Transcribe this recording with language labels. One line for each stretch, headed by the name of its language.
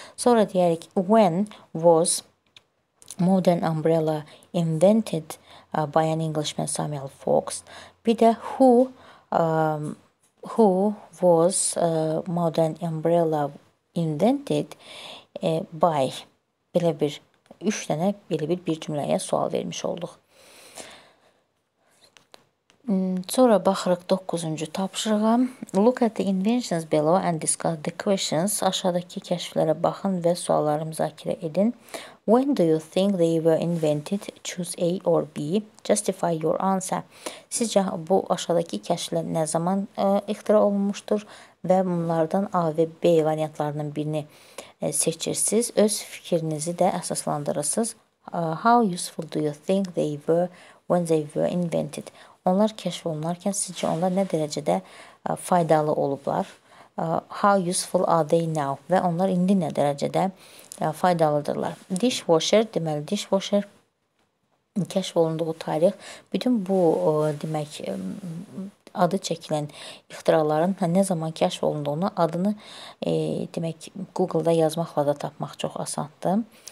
Azerbaijani: Sonra deyərik
English: when was modern umbrella invented by an Englishman Samuel Fox.
Azerbaijani: Bir də
English: who was modern umbrella invented by
Azerbaijani: belə bir 3 dənə belə bir cümləyə sual vermiş olduq. Sonra baxırıq 9-cu tapşırığa.
English: Look at the inventions below and discuss the questions.
Azerbaijani: Aşağıdakı kəşflərə baxın və sualları müzakirə edin.
English: When do you think they were invented? Choose A or B. Justify your answer.
Azerbaijani: Sizcə bu aşağıdakı kəşflər nə zaman ixtira olunmuşdur və bunlardan A və B variantlarının birini seçirsiniz. Öz fikrinizi də əsaslandırırsınız.
English: How useful do you think they were when they were invented?
Azerbaijani: Onlar kəşf olunarkən sizcə onlar nə dərəcədə faydalı olublar?
English: How useful are they now?
Azerbaijani: Və onlar indi nə dərəcədə faydalıdırlar? Dishwasher, deməli dishwasher kəşf olunduğu tarix bütün bu demək adı çəkilən ixtiraların nə zaman kəşf olunduğunu adını demək Google-da yazmaqla da tapmaq çox asandır.